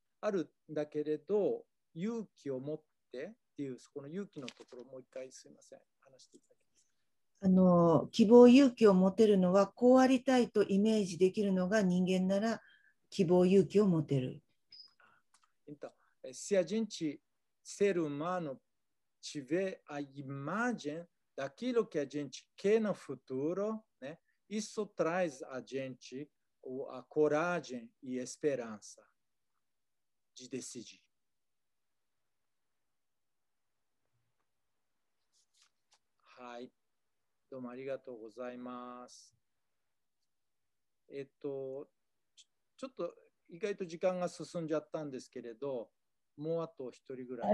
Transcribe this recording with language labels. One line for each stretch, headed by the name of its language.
Japanese: あるんだけれど、勇気を持ってっていう、そこの勇気のところをもう一回すいません、話していただきます。希望、勇気を持てるのは、こうありたいとイメージできるのが人間なら希望、勇気を持てる。
Portuguese: Então, se a gente, ser humano, tiver a imagem daquilo que a gente quer no futuro, né, isso traz a gente a coragem e esperança de decidir.
Japanese: Hai,
Portuguese: então,
Japanese: arigatou gozaimasu. Chotto... 意外と時間が進んじゃったんですけれど、もうあと一人ぐらい。